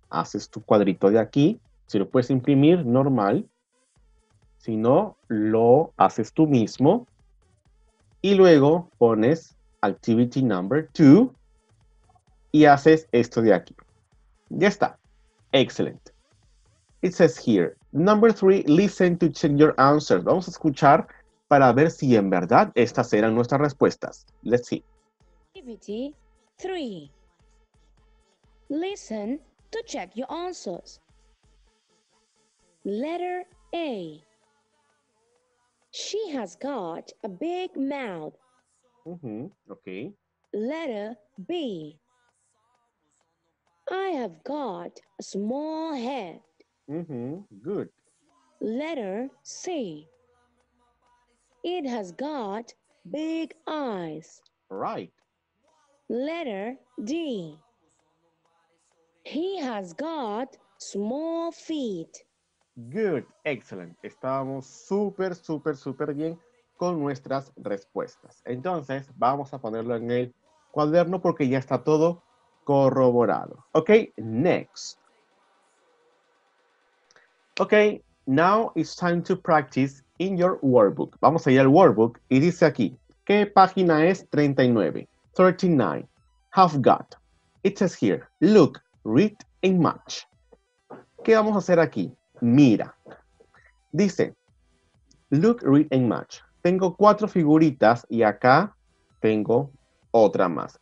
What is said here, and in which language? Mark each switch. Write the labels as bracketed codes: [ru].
[es] Haces tu cuadrito de aquí. Si lo puedes imprimir, normal. Si no, lo haces tú mismo. Y luego pones [en] activity number 2 [es] y haces esto de aquí. Ya está. Excellent. [en] It says here, number 3, listen to check your answers. [es] Vamos a escuchar para ver si en verdad estas eran nuestras respuestas. [en] Let's see. Activity 3. Listen to check your answers. Letter A. She has got a big mouth. Mm-hmm. Okay. Letter B. I have got a small head. Mm-hmm. Good. Letter C. It has got big eyes. Right. Letter D. He has got small feet. Good. Excellent. [es] Estábamos súper, súper, súper bien con nuestras respuestas. Entonces, vamos a ponerlo en el cuaderno porque ya está todo corroborado. [en] Ok, next. Ok, now it's time to practice in your workbook. [es] Vamos a ir al workbook y dice aquí, ¿qué página es? [en] 39. 39. Have got. It says here, look, read and match. [es] ¿Qué vamos a hacer aquí? Mira. Dice, [en] look, read and match. [es] Tengo 4 figuritas y acá tengo otra más.